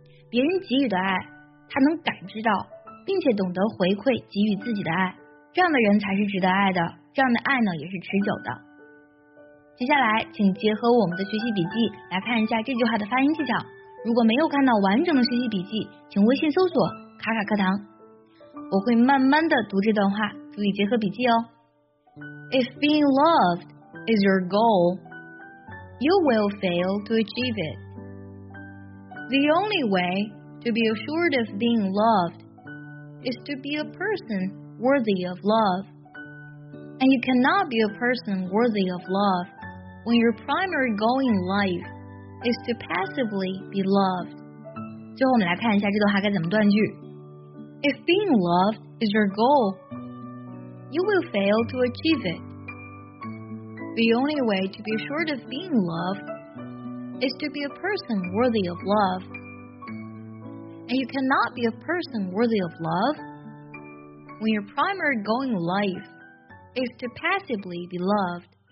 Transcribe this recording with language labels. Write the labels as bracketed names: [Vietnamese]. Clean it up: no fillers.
[Chinese] 别人给予的爱，他能感知到并且懂得回馈给予自己的爱，这样的人才是值得爱的，这样的爱呢也是持久的。接下来请结合我们的学习笔记来看一下这句话的发音技巧。如果没有看到完整的学习笔记，请微信搜索卡卡课堂，我会慢慢的读这段话，注意结合笔记哦。 [English] If being loved is your goal, you will fail to achieve it. The only wayTo be assured of being loved is to be a person worthy of love. And you cannot be a person worthy of love when your primary goal in life is to passively be loved. [Chinese] 最后我们来看一下这段话该怎么断句。 [English] If being loved is your goal, you will fail to achieve it. The only way to be assured of being loved is to be a person worthy of love. And you cannot be a person worthy of love when your primary goal in life is to passively be loved.